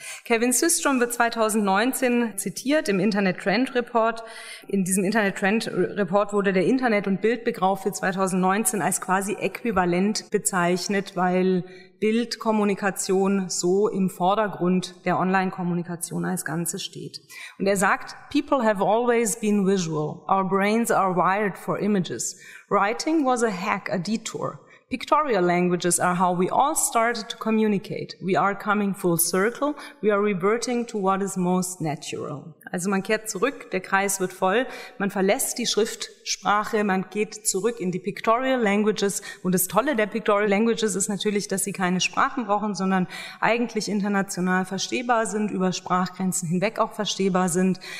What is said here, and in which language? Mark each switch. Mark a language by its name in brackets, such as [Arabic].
[German] Kevin Systrom wird 2019 zitiert im Internet Trend Report. In diesem Internet Trend Report wurde der Internet- und Bildbegriff für 2019 als quasi äquivalent bezeichnet, weil Bildkommunikation so im Vordergrund der Online-Kommunikation als Ganze steht. [English] Und er sagt, "People have always been visual. Our brains are wired for images. Writing was a hack, a detour. Pictorial languages are how we all started to communicate. We are coming full circle. We are reverting to what is most natural." [German] Also man kehrt zurück, der Kreis wird voll, man verlässt die Schriftsprache, man geht zurück in die Pictorial Languages. Und das Tolle der Pictorial Languages ist natürlich, dass sie keine Sprachen brauchen, sondern eigentlich international verstehbar sind, über Sprachgrenzen hinweg auch verstehbar sind.